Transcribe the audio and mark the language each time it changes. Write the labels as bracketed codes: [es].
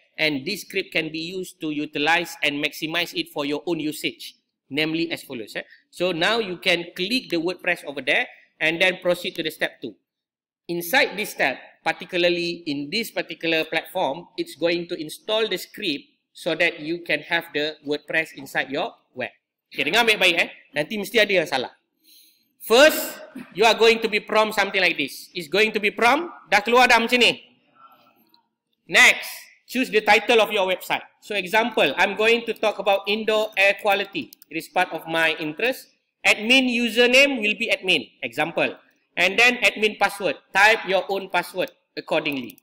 [en] And this script can be used to utilize and maximize it for your own usage. Namely as follows. So now you can click the WordPress over there and then proceed to the step 2. Inside this step, particularly in this particular platform, it's going to install the script so that you can have the WordPress inside your web. [ms] Okay, dengar baik-baik Nanti mesti ada yang salah. [en] First, you are going to be prompt something like this. It's going to be prompt. [ms] Dah keluar dah macam ni. [en] Next, choose the title of your website. So example, I'm going to talk about indoor air quality. It is part of my interest. admin username will be admin, example. And then admin password, type your own password accordingly.